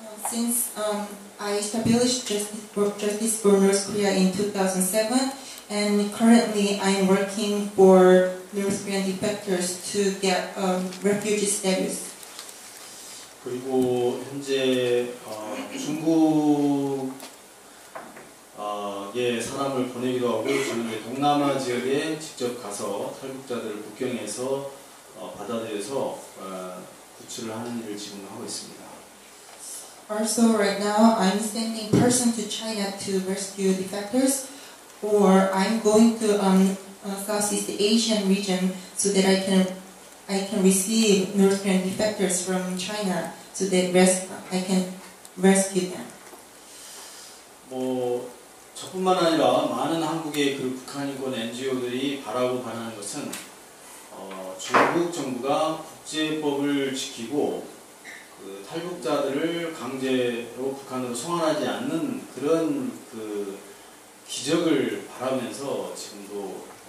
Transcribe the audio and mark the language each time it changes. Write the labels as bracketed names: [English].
[English] Since I established Justice for North Korea in 2007, and currently I'm working for North Korean defectors to get refugee status. [Korean] 그리고 현재 중국의 사람을 보내기도 하고, 저는 동남아 지역에 직접 가서 탈북자들을 국경에서 받아들여서 구출을 하는 일을 지금 하고 있습니다. [English] Also, right now I'm sending person to China to rescue defectors, or I'm going to Southeast Asian region so that I can receive North Korean defectors from China so that I can rescue them. [Korean] 뭐 저뿐만 아니라 많은 한국의 그 북한인권 NGO들이 바라고 바라는 것은 중국 정부가 국제법을 지키고 그 탈북자들을 강제로 북한으로 송환하지 않는 그런 그 기적을 바라면서 지금도